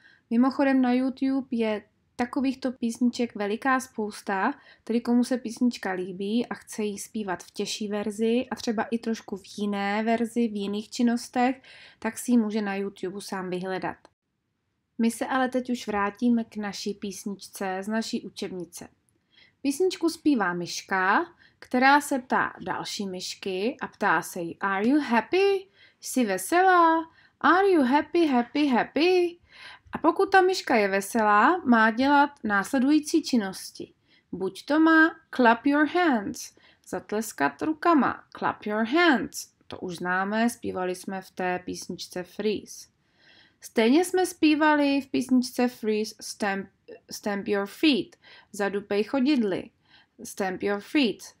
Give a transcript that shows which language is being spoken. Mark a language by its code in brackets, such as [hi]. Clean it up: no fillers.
[cs] Mimochodem na YouTube je takovýchto písniček veliká spousta, tedy komu se písnička líbí a chce jí zpívat v těžší verzi a třeba i trošku v jiné verzi, v jiných činnostech, tak si ji může na YouTube sám vyhledat. My se ale teď už vrátíme k naší písničce z naší učebnice. Písničku zpívá myška, která se ptá další myšky a ptá se jí: [en] Are you happy? [cs] Jsi veselá? [en] Are you happy, happy, happy? [cs] A pokud ta myška je veselá, má dělat následující činnosti. Buď to má [en] clap your hands, [cs] zatleskat rukama, clap your hands. To už známe, zpívali jsme v té písničce Freeze. Stejně jsme zpívali v písničce Freeze [en] stamp your feet, [cs] zadupej chodidly, stamp your feet.